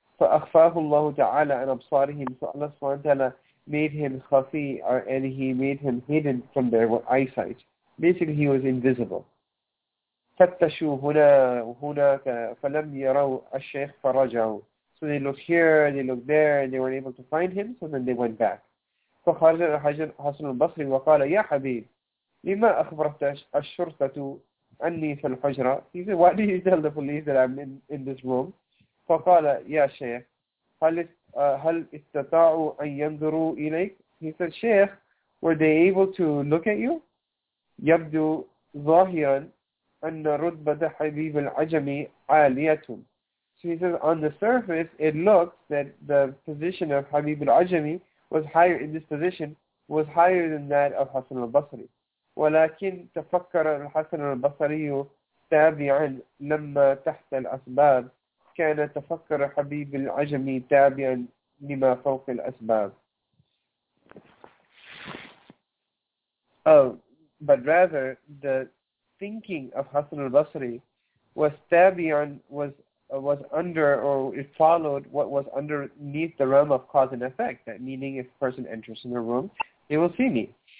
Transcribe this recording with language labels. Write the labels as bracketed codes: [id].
[ar] فأخفاه الله تعالى عن أبصارهم. [en] So Allah سبحانه وتعالى made him خفي, and he made him hidden from their eyesight. Basically, he was invisible. [ar] فتشوا هنا وهناك فلم يروا الشيخ فرجعوا. [en] So they looked here, they looked there, and they weren't able to find him. So then they went back. [ar] فخرج حسن البصري وقال يا حبيب لما أخبرت الشرطة أني في الحجرة. [en] He said, why did you tell the police that I'm in this room? [ar] فقال يا شيخ هل استطاعوا أن ينظروا إليك. [en] He said, شيخ, were they able to look at you? [ar] يبدو ظاهرا أن رتبة حبيب العجمي عاليتهم. [en] So he says, on the surface, it looks that the position of Habib al-Ajami was higher in this position, was higher than that of Hassan al-Basri. [ar] ولكن تفكر الحسن البصري تابعا لما تحت الأسباب كان تفكر حبيب العجمي تابعا لما فوق الأسباب. [en] But rather the thinking of Hassan al-Basri was tabi'an, was under, or it followed what was underneath the realm of cause and effect, that meaning if a person enters in the room, they will see me.